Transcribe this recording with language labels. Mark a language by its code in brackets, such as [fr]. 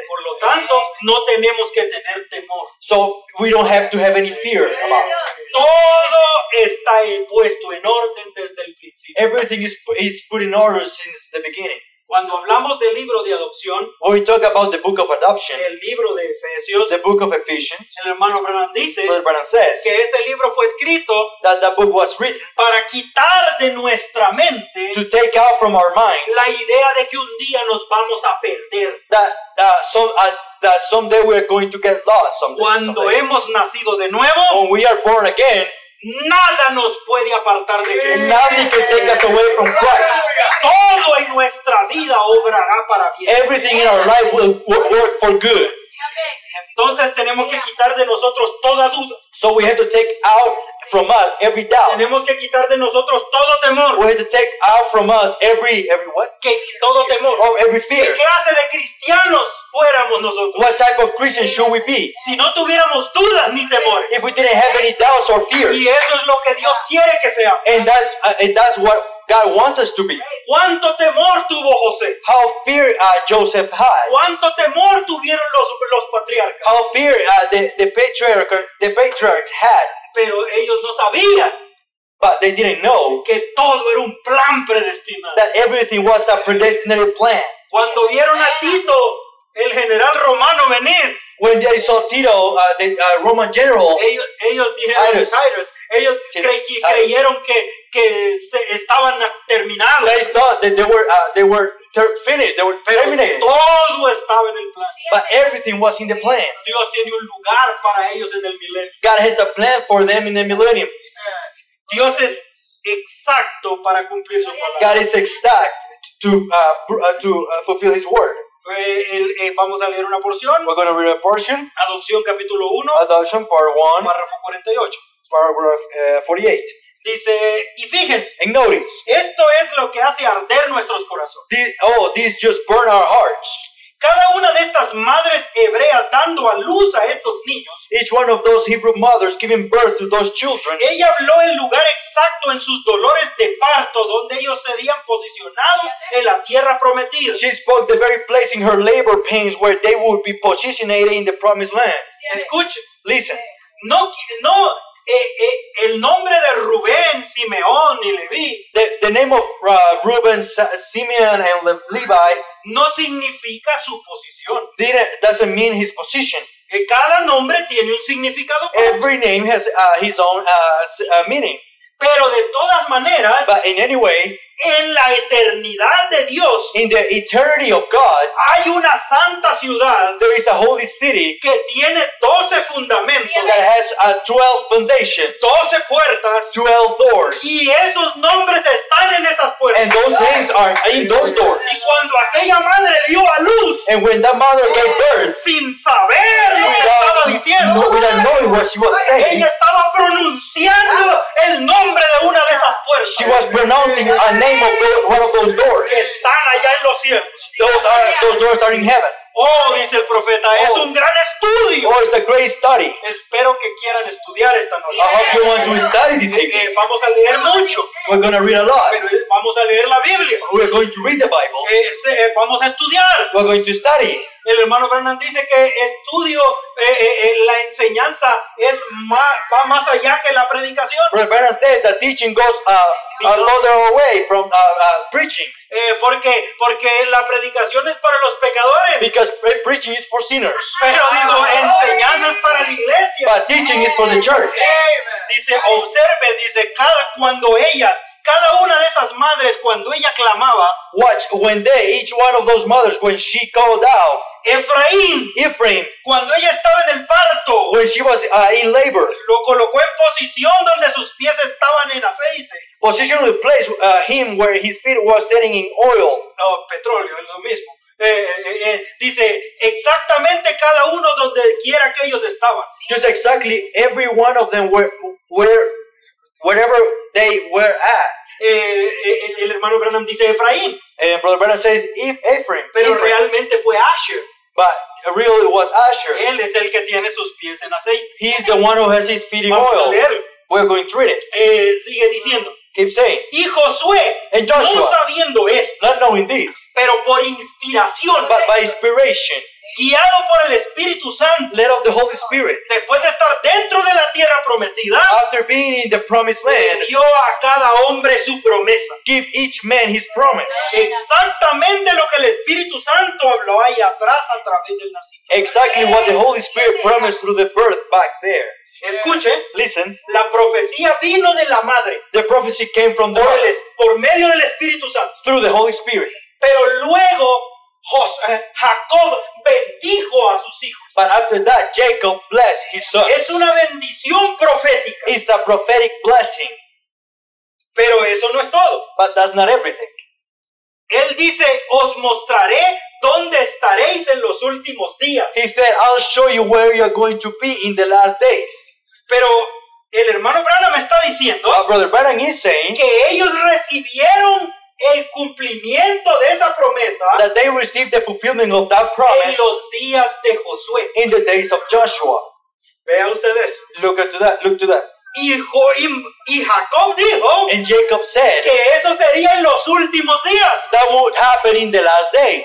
[es] Por lo tanto, no tenemos que tener temor. [en] So we don't have to have any fear about. [es] Todo está puesto en orden desde el principio. [en] Everything is put in order since the beginning. [es] Cuando hablamos del libro de adopción, [en] when we talk about the book of adoption, [es] el libro de Efesios, [en] the book of Ephesians, [es] el hermano Branham dice, [en] Brother Branham says, [es] que ese libro fue escrito, [en] that book was written, [es] para quitar de nuestra mente, [en] to take out from our minds, [es] la idea de que un día nos vamos a perder, [en] that someday we are going to get lost, someday, [es] cuando [en] someday. [es] Hemos nacido de nuevo, [en] when we are born again, [es] nada nos puede apartar de Cristo. [en] Nothing can take us away from Christ. [es] Todo en nuestra vida obrará para bien. [en] Everything in our life will work for good. [es] Entonces tenemos que quitar de nosotros toda duda. [en] So we have to take out from us every doubt. [es] Tenemos que quitar de nosotros todo temor. [en] We have to take out from us every what? [es] Que todo temor. [en] Oh, every fear. [es] ¿Qué clase de cristianos fuéramos nosotros? [en] What type of Christian should we be? [es] Si no tuviéramos dudas ni temor. [en] If we didn't have any doubts or fears. [es] Y eso es lo que Dios quiere que seamos. [en] And that's what God wants us to be. [es] ¿Cuánto temor tuvo José? [en] How fear Joseph had. [es] ¿Cuánto temor tuvieron los patriarcas? [en] How fear the patriarchs had. [es] Pero ellos no sabían. [en] But they didn't know. [es] Que todo era un plan predestinado. [en] That everything was a predestinated plan. [es] Cuando vieron a Tito, el general romano venir. [en] When they saw Tito, the Roman general. [es] Ellos dijeron, Titus. Ellos creyeron que estaban terminados. [en] They thought that they were finished. They were terminated. [es] Todo estaba en el plan. [en] But everything was in the plan. [es] Dios tiene un lugar para ellos en el milenio. [en] God has a plan for them in the millennium. [es] Dios es exacto para cumplir su palabra. [en] God is exact to fulfill His word. [es] Vamos a leer una porción. [en] We're going to read a portion. [es] Adopción capítulo 1. [en] Adoption part 1. [es] Párrafo 48. [en] Paragraph 48. [es] Dice, y fíjense. [en] And notice. [es] Esto es lo que hace arder nuestros corazones. [en] This just burn our hearts. [es] Cada una de estas madres hebreas dando a luz a estos niños. [en] Each one of those Hebrew mothers giving birth to those children. [es] Ella habló el lugar exacto en sus dolores de parto donde ellos serían posicionados en la tierra prometida. [en] She spoke the very place in her labor pains where they would be positioned in the promised land. [es] Escuche. [en] Listen. [es] No. El nombre de Rubén, Simeón y Leví. [en] The name of Reuben, Simeon and Levi. [es] No significa su posición. [en] Doesn't mean his position. [es] Cada nombre tiene un significado. [en] Every name has his own meaning. [es] Pero de todas maneras. [en] But in any way. [es] En la eternidad de Dios, [en] in the eternity of God, [es] hay una santa ciudad, [en] there is a holy city [es] que tiene 12 fundamentos, [en] that has a 12 foundation, [es] 12 puertas, [en] 12 doors. [es] Y esos nombres están en esas puertas. [en] And those names are in those doors. [es] Y cuando aquella madre dio a luz, [en] and when that mother gave birth, [es] sin saber lo que estaba diciendo, [en] without knowing what she was saying, [es] ella estaba pronunciando el nombre de una de esas puertas. [en] She was pronouncing a name of one of those doors. [es] Están allá en los cielos. [en] Those doors are in heaven. [es] Oh, dice el profeta, es un gran estudio. [en] Oh, it's a great study. [es] Espero que quieran estudiar esta noche. [en] I hope you want to study this evening. [es] Vamos a leer mucho. [en] We're going to read a lot. [es] Pero vamos a leer la Biblia. [en] We're going to read the Bible. [es] Vamos a estudiar. [en] We're going to study. [es] El hermano Brennan dice que estudio, la enseñanza es va más allá que la predicación. [en] Brother Brennan says that teaching goes a further away from preaching. [es] Porque la predicación es para los pecadores. [en] Because preaching is for sinners. [es] Pero digo, enseñanza es para la iglesia. [en] But teaching is for the church. [es] Amen. Dice, observe, dice, cada una de esas madres cuando ella clamaba. [en] Watch, when they, each one of those mothers, when she called out. Ephraim, [es] cuando ella estaba en el parto, [en] when she was in labor, [es] lo colocó en posición donde sus pies estaban en aceite. [en] Position the place him where his feet were sitting in oil. [es] No, petróleo, es lo mismo. Dice exactamente cada uno donde quiera que ellos estaban. [en] Just exactly every one of them were wherever they were at. [es] El hermano Branham dice Ephraim. [en] And Brother Branham says Ephraim. [es] Pero [en] Ephraim. [es] Realmente fue Asher. [en] But really it was Asher. [es] Él es el que tiene sus pies en aceite. [en] He is the one who has his feet in [es] Vamos [en] oil. We're going to read it. [es] Sigue diciendo. [en] Keep saying. [es] Y Josué. [en] And Joshua. [es] No sabiendo esto. [en] Not knowing this. [es] Pero por inspiración. [en] But by inspiration. [es] Guiado por el Espíritu Santo. [en] Led of the Holy Spirit. [es] Después de estar dentro de la tierra prometida. [en] After being in the promised land. [es] Dio a cada hombre su promesa. [en] Give each man his promise. [es] Exactamente lo que el Espíritu Santo habló ahí atrás a través del nacimiento. [en] Exactly what the Holy Spirit promised through the birth back there. [es] Escuche. [en] Listen. [es] La profecía vino de la madre. [en] The prophecy came from the mother. [es] Por medio del Espíritu Santo. [en] Through the Holy Spirit. [es] Pero luego. Jacob bendijo a sus hijos. [en] But after that, Jacob blessed his sons. [es] Es una bendición profética. [en] It's a prophetic blessing. [es] Pero eso no es todo. [en] But that's not everything. [es] Él dice, os mostraré dónde estaréis en los últimos días. [en] He said, I'll show you where you're going to be in the last days. [es] Pero el hermano Branham está diciendo. [en] But Brother Branham is saying. [es] Que ellos recibieron el cumplimiento de esa promesa, [en] that they received the fulfillment of that promise, [es] en los días de Josué, [en] in the days of Joshua. [es] Vea usted eso. [en] Look to that. [es] Y Jacob dijo, [en] and Jacob said, [es] que eso sería en los últimos días, [en] that would happen in the last days.